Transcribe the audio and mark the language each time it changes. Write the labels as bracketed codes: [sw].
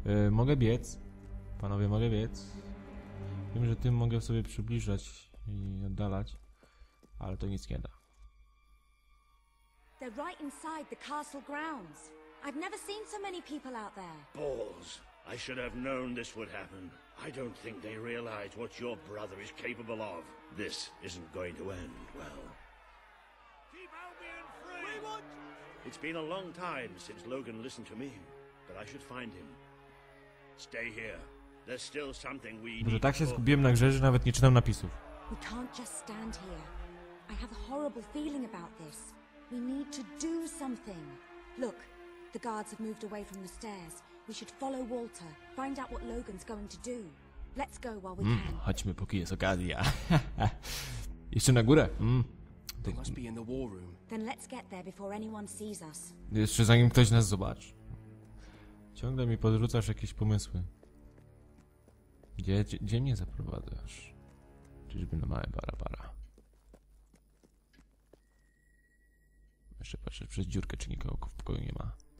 [pl] Mogę biec? Panowie, mogę biec? Wiem, że tym mogę sobie przybliżać i oddalać, ale to nic nie da. [en] They're right inside the castle grounds. I've never seen so many people out there. Balls. I should have known this would happen. I don't think they realize what your brother is capable of. This isn't going to end well. Keep Albion free! We want... It's been a long time since Logan listened to me, but I should find him. Stay here. There's still something we need. [pl] Tak się zgubiłem na grze, że nawet nie czytam napisów. [en] We can't just stand here. I have a horrible feeling about this. We need to do something. Look, the guards have moved away from the stairs. We should follow Walter. Find out what Logan's going to do. Let's go while we can. [pl] Chodźmy, póki jest okazja. Jeszcze na górę. [en] They must be in the war room. Then let's get there before anyone sees us. [pl] Jeszcze zanim ktoś nas zobaczy. Ciągle mi podrzucasz jakieś pomysły. Gdzie mnie zaprowadzasz? Czyżby na małe barabara? Jeszcze patrzę przez dziurkę, czy nikogo w pokoju nie ma.